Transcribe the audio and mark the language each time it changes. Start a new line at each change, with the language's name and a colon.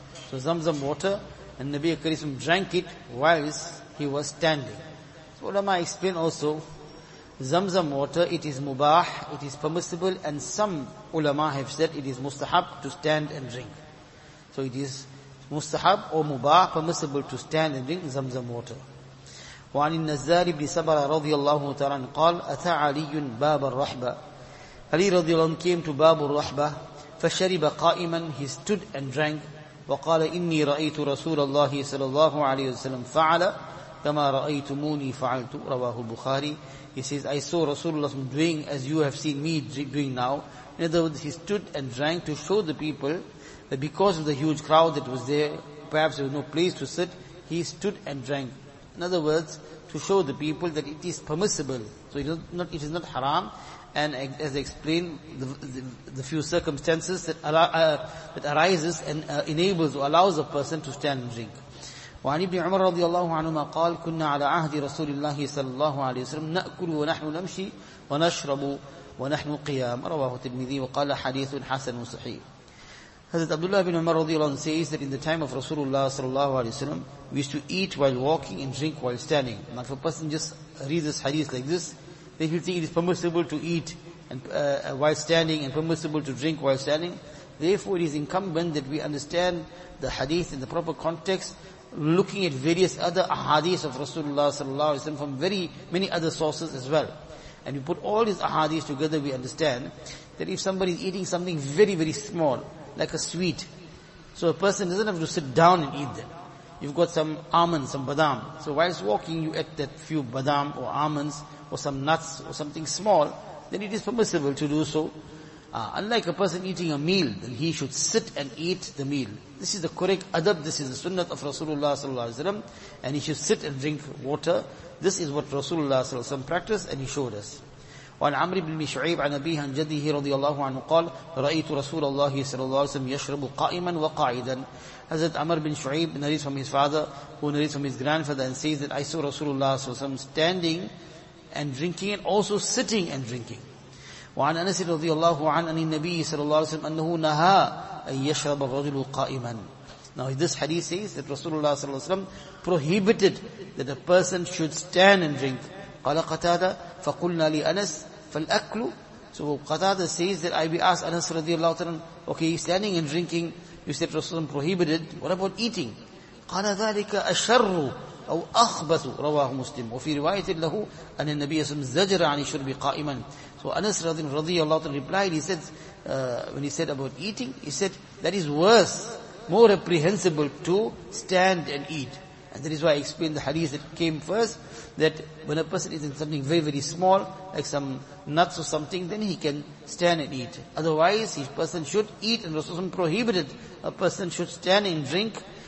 English: So Zamzam water, and Nabi Karim drank it whilst he was standing. So ulama explain also, Zamzam water, it is mubah, it is permissible, and some ulama have said it is mustahab to stand and drink. So it is mustahab or mubah, permissible to stand and drink zamzam water.
Arabic: وعن النزار بن سبرة رضي الله تعالى قال أتى علي باب الرحبة. Ali رضي الله عنه
English: came to
Arabic: باب الرحبة فشرب قائما.
English: He stood and drank.
Arabic: وقال إني رأيت رسول الله صلى الله عليه وسلم فعل كما رأيتموني فعلت. رواه البخاري.
English: He says, I saw Rasulullah doing as you have seen me doing now. In other words, he stood and drank to show the people that because of the huge crowd that was there, perhaps there was no place to sit, he stood and drank. In other words, to show the people that it is permissible. So it is not haram. And as I explained, the few circumstances that arises and enables or allows a person to stand and drink.
Arabic: وعن ابن عمر رضي الله عنهما قال كنا على عهد رسول الله صلى الله عليه وسلم نأكل ونحن نمشي ونشرب ونحن قيام. رواه الترمذي وقال حديث حسن صحيح.
English: Hazrat Abdullah bin Umar radiallahu anhu says that in the time of Rasulullah sallallahu alayhi wa sallam, we used to eat while walking and drink while standing. Now if a person just reads this hadith like this, then he'll think it is permissible to eat and while standing and permissible to drink while standing. Therefore it is incumbent that we understand the hadith in the proper context, looking at various other ahadith of Rasulullah sallallahu alayhi wa sallam from very many other sources as well. And we put all these ahadith together, we understand that if somebody is eating something very, very small, like a sweet, so a person doesn't have to sit down and eat them. You've got some almonds, some badam. So whilst walking, you eat that few badam or almonds or some nuts or something small, then it is permissible to do so. Unlike a person eating a meal, then he should sit and eat the meal. This is the correct adab. This is the sunnat of Rasulullah sallallahu alaihi wasallam, and he should sit and drink water. This is what Rasulullah sallallahu alaihi wasallam practiced, and he showed us.
Arabic: وعن عمر بن شعيب عن أبيه عن جده رضي الله عنه قال رأيت رسول الله صلى الله عليه وسلم يشرب قائما وقاعدا.
English: حضرت عمر بن شعيب narrates from his father, who narrates from his grandfather, and says that I saw Rasulullah صلى الله عليه وسلم standing and drinking and also sitting and drinking.
Arabic: وعن أنس رضي الله عنه عن النبي صلى الله عليه وسلم أنه نهى أن يشرب الرجل قائما.
English: Now this hadith says that Rasulullah صلى الله عليه وسلم prohibited that a person should stand and drink.
Arabic: قال قتادة فقلنا لأنس فالأكل.
English: So Qatada says that I be asked Anas radiallahu ta'ala, okay, standing and drinking, you said Rasulullah prohibited, what about eating?
Arabic: قال ذلك أشر أو أخبث. رواه مسلم وفي رواية له أن النبي صلى الله عليه وسلم زجر عن شرب قائما.
English: So Anas radiallahu ta'ala replied, he said when he said about eating, he said that is worse, more reprehensible to stand and eat. And that is why I explained the hadith that came first, that when a person is in something very, very small, like some nuts or something, then he can stand and eat. Otherwise, a person should eat, and Rasulullah prohibited a person should stand and drink.